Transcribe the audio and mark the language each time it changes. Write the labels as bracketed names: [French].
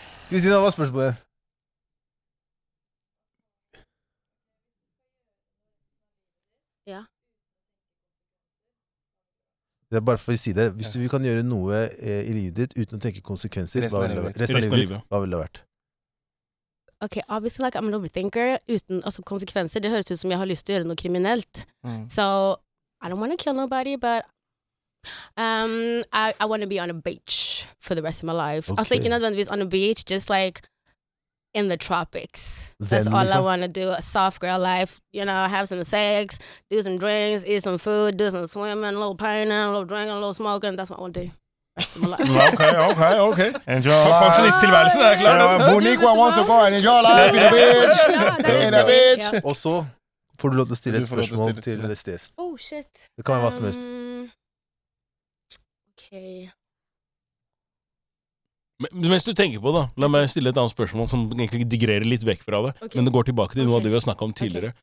[Norwegian] Kristina, hva spørsmålet? Ja. Det bare for å si det. Hvis du kan gjøre noe I livet ditt uten å tenke konsekvenser, resten av livet. Hva ville det vært? [English] Ok, obviously like I'm an overthinker [Norwegian] uten altså, konsekvenser. Det høres ut som jeg har lyst til å gjøre noe kriminelt. Mm. [English] So, I don't want to kill nobody, but I want to be on a beach for the rest of my life. Okay. [Norwegian] Altså ikke nødvendigvis [English] on a beach, just like in the tropics. That's all I want to do, a soft girl life, you know, have some sex, do some drinks, eat some food, do some swimming, a little painting, a little drinking, a little smoking, that's what I want to do. Okay. Enjoy life. [Norwegian] Funktionisttilværelsen klart. [English] Monique wants to go and enjoy life in the beach. [Norwegian] Og så får du lov til å stille et spørsmål til neste gjest. [English] Oh shit. [Norwegian] Det kan være hva som helst. Ok. Mens du tenker på da, la meg stille et annet spørsmål som egentlig digrerer litt vekk fra det, okay. Men det går tilbake til noe av det vi har snakket om tidligere.